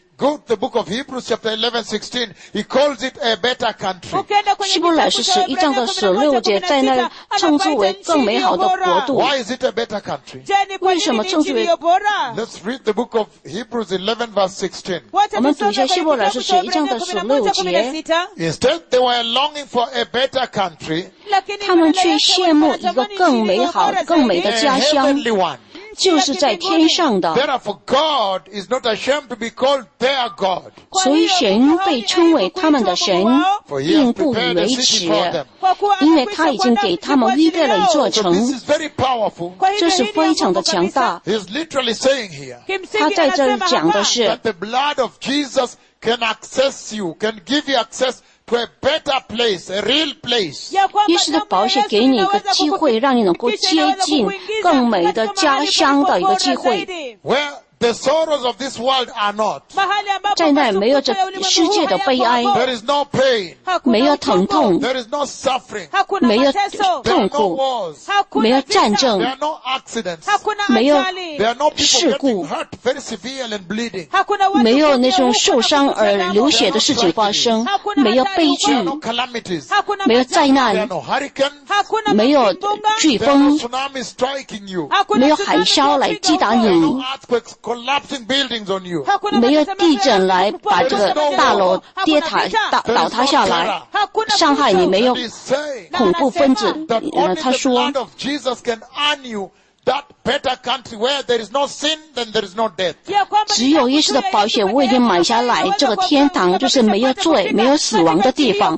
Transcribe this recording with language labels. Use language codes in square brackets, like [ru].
[en] Go to the book of Hebrews chapter 11:16. He calls it a better country. [zh] 希伯来书11章的16节在那称之为更美好的国度。 [en] Why is it a better country? [zh] 为什么称之为? [en] Let's read the book of Hebrews 11:16. [zh] 我们读一下希伯来书11章的16节。 [en] Instead, they were longing for a better country. [zh] 他们却羡慕一个更美好、更美的家乡。就是在天上的。 [en] Therefore, God is not ashamed to be called their God. [zh] 所以神被称为他们的神, 并不以为耻, 因为他已经给他们预备了一座城。 [en] This is very powerful. [zh] 这是非常的强大。 [en] He's literally saying here, [zh] 他在这里讲的是, [en] that the blood of Jesus can access you, can give you access to a better place, a real place. [zh] 耶稣的宝血给你一个机会, 让你能够接近更美的家乡的一个机会。 [en] Where the sorrows of this world are not. [zh] 在那没有这世界的悲哀。 [en] There is no pain. [zh] 没有疼痛。 [en] There is no suffering. [zh] 没有痛苦。没有战争。 [en] There are no accidents. [zh] 没有事故。 [en] There are no people getting hurt very severely and bleeding. [zh] 没有那种受伤而流血的事情发生。没有悲剧。 [en] There are no calamities. [zh] 没有灾难。 [en] There are no hurricanes. [zh] 没有飓风。 [en] There are no tsunami striking you. [zh] 没有海啸来击打你。 [en] collapsing buildings on you. [zh] 没有地震来把这个大楼跌塌倒塌下来, 伤害你没有恐怖分子, 他说, [en] the blood of Jesus can earn you that better country where there is no sin, then there is no death. [zh] 只有耶稣的宝血为你买下来这个天堂, 就是没有罪, 没有死亡的地方。